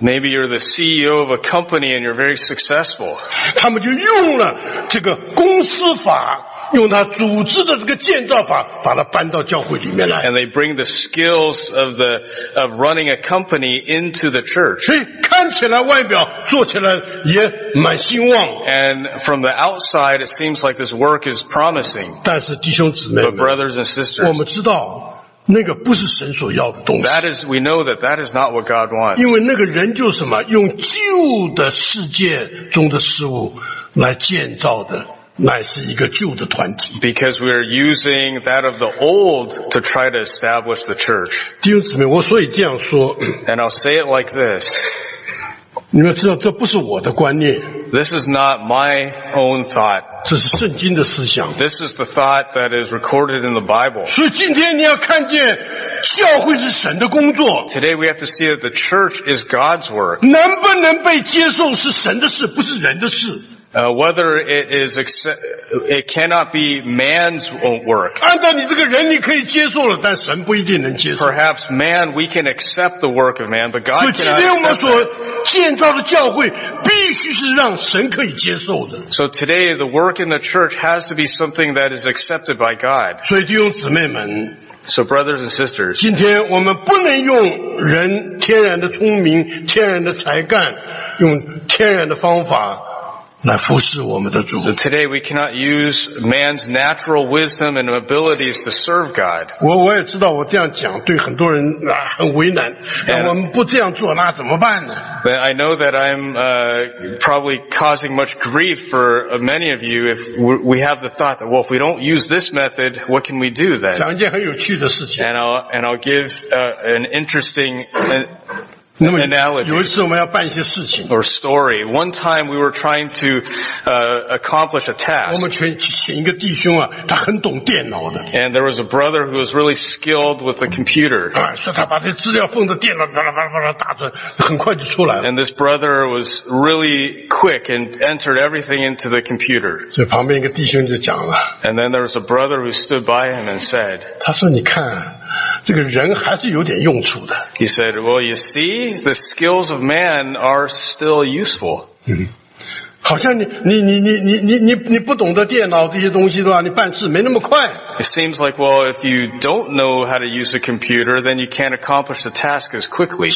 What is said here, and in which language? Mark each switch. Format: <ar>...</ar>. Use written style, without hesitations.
<en>Maybe you're the CEO of a company and you're very successful.</en> <zh>他们就用了这个公司法。用他组织的这个建造法把它搬到教会里面来。</zh> <en>And they bring the skills of running a company into the church.</en> <zh>所以看起来外表做起来也蛮兴旺。</zh> <en>And from the outside, it seems like this work is promising.</en> <zh>但是弟兄姊妹们</zh> <en>But brothers and sisters,</en> <zh>我们知道那个不是神所要的东西。</zh> <en>That is, we know that that is not what God wants.</en> <zh>因为那个人就是什么，用旧的世界中的事物来建造的，乃是一个旧的团体。</zh> <en>Because we are using that of the old to try to establish the church.</en> <zh>弟兄姊妹，我所以这样说。</zh> <en>And I'll say it like this.</en> <zh>你们知道，这不是我的观念。</zh> <en>This is not my own thought.</en> <zh>这是圣经的思想。</zh> <en>This is the thought that is recorded in the Bible.</en> <zh>所以今天你要看见教会是神的工作。</zh> <en>Today we have to see that the church is God's work.</en> <zh>能不能被接受是神的事，不是人的事。</zh> <en>Whether it is accept, it cannot be man's work.</en> <zh>按照你这个人你可以接受了，但神不一定能接受。</zh> <en>Perhaps man, we can accept the work of man, but God cannot accept it.</en> <zh>所以今天我们所建造的教会必须是让神可以接受的。</zh> <en>So today, the work in the church has to be something that is accepted by God.</en> <zh>所以弟兄姊妹们。</zh> <en>So brothers and sisters.</en> <zh>今天我们不能用人天然的聪明，天然的才干，用天然的方法来服侍我们的主。</zh> <en>So today we cannot use man's natural wisdom and abilities to serve God.</en> <zh>我也知道我这样讲对很多人啊很为难。 And, 我们不这样做那怎么办呢？</zh> <en>But I know that I'm, probably causing much grief for many of you if we have the thought that, well, if we don't use this method, what can we do then?</en> <zh>讲一件很有趣的事情。</zh> <en>And I'll give, an interesting, analogy. Or story. One time we were trying to, accomplish a task.</en> <zh>我们请一个弟兄啊，他很懂电脑的。</zh> <en>And there was a brother who was really skilled with the computer.</en> <zh>说他把这资料放在电脑，巴拉巴拉巴拉打转，很快就出来了。</zh> <en>And this brother was really quick and entered everything into the computer.</en> <zh>所以旁边一个弟兄就讲了。</zh> <en>And then there was a brother who stood by him and said,</en> <zh>他说你看这个人还是有点用处的。</zh> <en>He said, well, you see, the skills of man are still useful.</en> <zh>好像你不懂得电脑这些东西的话，你办事没那么快。</zh> <en>It seems like, well, if you don't know how to use a computer, then you can't accomplish the task as quickly.</en>